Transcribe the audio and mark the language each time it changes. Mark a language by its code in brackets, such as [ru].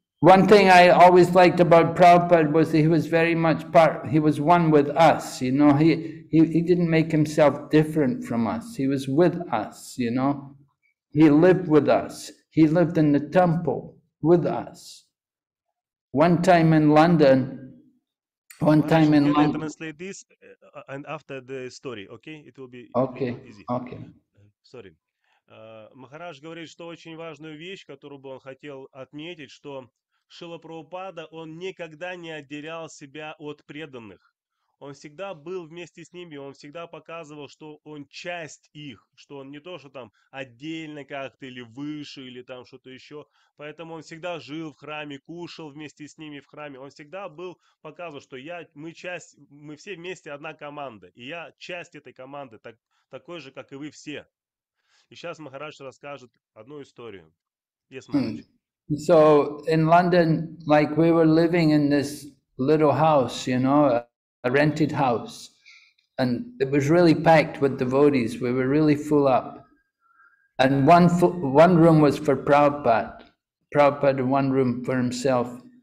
[en] One thing I always liked about Prabhupada was that he was very much part, he was one with us, you know, he didn't make himself different from us, he was with us, you know, he lived with us, he lived in the temple with us. One time in London. Can I translate this and after the story, okay, it will be okay. Easy. Okay. Sorry. [ru] Махарадж говорит, что очень важную вещь, которую бы он хотел отметить, что Шрила Прабхупада, он никогда не отделял себя от преданных. он всегда был вместе с ними, он всегда показывал, что он часть их, что он не то, что там отдельно как-то или выше, или там что-то еще. Поэтому он всегда жил в храме, кушал вместе с ними в храме. Он всегда был, показывал, что мы все вместе одна команда, и я часть этой команды, такой же, как и вы все. И сейчас Махарадж расскажет одну историю. [en] Yes, Махарадж. So in London, like we were living in this little house, you know, a rented house, and it was really packed with devotees. We were really full up, and one room was for Prabhupada, and one room for himself.